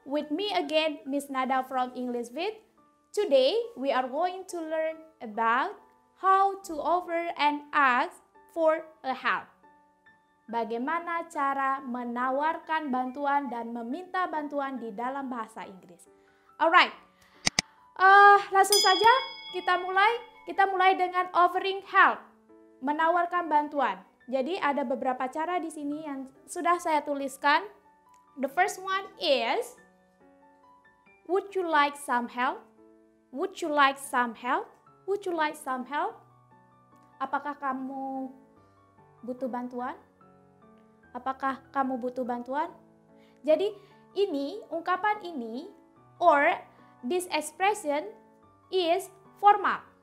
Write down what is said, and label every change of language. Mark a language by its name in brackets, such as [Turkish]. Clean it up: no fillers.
[English] With me again, Miss Nada from English Vid. Today, we are going to learn about how to offer and ask for a help. [Indonesian] Bagaimana cara menawarkan bantuan dan meminta bantuan di dalam bahasa Inggris. Alright, langsung saja kita mulai. Kita mulai dengan offering help, menawarkan bantuan. Jadi ada beberapa cara di sini yang sudah saya tuliskan. [English] The first one is, would you like some help? Would you like some help? Would you like some help? [Indonesian] Apakah kamu butuh bantuan? Apakah kamu butuh bantuan? Jadi ini, ungkapan ini, [English] or this expression is formal.